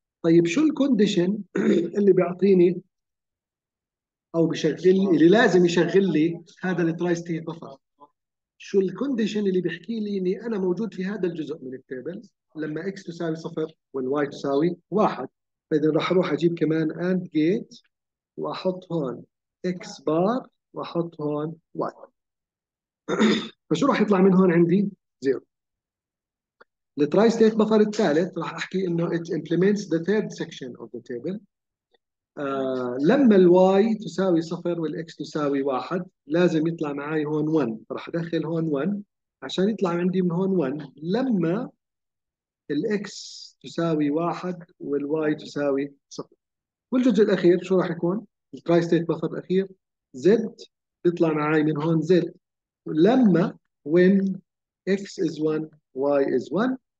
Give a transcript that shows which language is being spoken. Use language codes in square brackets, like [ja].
[ar] طيب شو الكونديشن اللي بيعطيني او بيشغل اللي لازم يشغل لي هذا التراي ستيت بفر؟ شو الكونديشن اللي بيحكي لي اني انا موجود في هذا الجزء من التيبل لما اكس تساوي صفر والواي تساوي واحد؟ فاذا راح اروح اجيب كمان اند جيت واحط هون اكس بار واحط هون واي. فشو راح يطلع من هون عندي؟ زيرو. التراي ستيت بفر الثالث راح احكي انه [en] it implements the third section of the table. [ar] لما الواي تساوي صفر والاكس تساوي واحد لازم يطلع معي هون 1، راح ادخل هون 1 عشان يطلع عندي من هون 1 لما الاكس تساوي واحد والواي تساوي صفر. والجزء الاخير شو راح يكون؟ التراي ستيت بفر الاخير زد، يطلع معي من هون زد لما [en] when x is 1 y is 1.